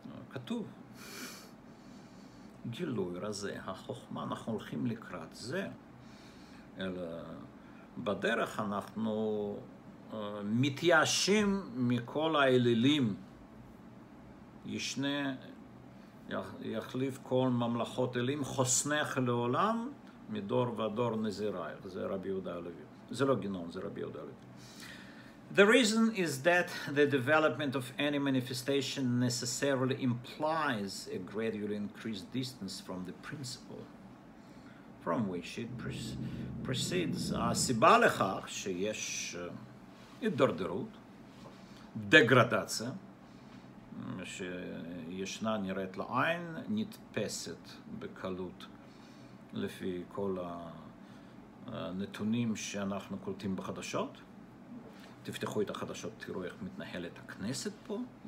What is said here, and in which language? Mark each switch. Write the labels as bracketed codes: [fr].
[he] כתוב. גילוי רזי החוכמה, אנחנו הולכים לקראת זה, אלא בדרך אנחנו מתייאשים מכל האלילים, ישנה יחליף כל ממלכות אלים, חוסנך לעולם מדור ודור נזירייך, זה רבי יהודה הלוי, זה לא גנון, זה רבי יהודה הלוי. [en] The reason is that the development of any manifestation necessarily implies a gradually increased distance from the principle from which it proceeds. [he] הסיבה לכך שיש הידרדרות, דגרדציה, שישנה נראית לעין, נתפסת בקלות לפי כל הנתונים שאנחנו קולטים בחדשות, תפתחו את החדשות, תראו איך מתנהלת הכנסת פה.